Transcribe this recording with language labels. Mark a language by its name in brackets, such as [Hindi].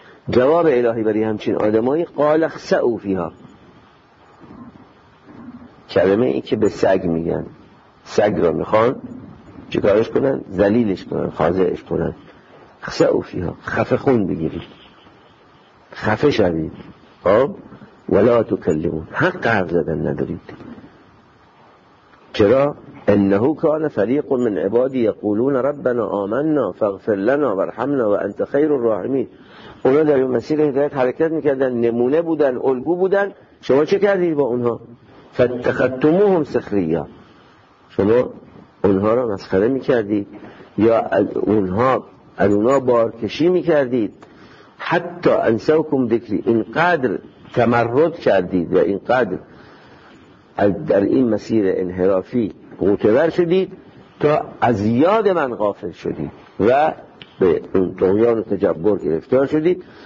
[Persian] جواب الهی برای همچین آدمایی [Arabic] قال اخسئوا فیها، [Persian] کلمه این که به سگ میگن، سگ رو میخوان چیکارش کنن؟ ذلیلش کنن، خاضعش کنن. [Arabic] اخسئوا فیها، [Persian] خفه خون بگیرید، خفه شدید، خب؟ [Arabic] ولا تكلمون، [Persian] حق عرض دادن ندارید. چرا؟ [Arabic] انه كان فريق من عبادي يقولون ربنا آمنا فاغفر لنا وارحمنا وانت خير الراحمين. [Persian] اونا در این مسیر هدایت حرکت میکردن، نمونه بودن، الگو بودن. شما چه کردید با اونها؟ [Arabic] فاتخذتموهم سخريا، [Persian] شما اونها را مسخره میکردید یا از اونها بارکشی میکردید. [Arabic] حتی انسوكم ذكري، [Persian] اینقدر تمرد کردید و اینقدر در این مسیر انحرافی غوطه‌ور شدید تا از یاد من غافل شدید و به اون طغیان و تجبر گرفتار شدید.